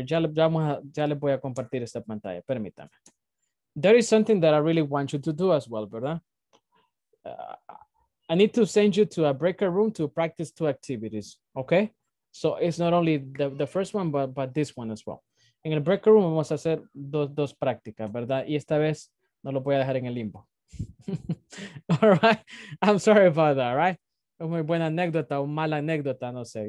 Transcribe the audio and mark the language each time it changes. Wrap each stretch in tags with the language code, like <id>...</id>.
<es>Ya le voy a compartir esta pantalla, permítame.</es> <en>There is something that I really want you to do as well, ¿verdad? I need to send you to a breakout room to practice two activities, okay? So it's not only the first one, but this one as well.</en> <es>En el breakout room vamos a hacer dos prácticas, ¿verdad? Y esta vez no lo voy a dejar en el limbo.</es> <en>All right? I'm sorry about that, right?</en> <es>Es muy buena anécdota o mala anécdota, no sé.</es>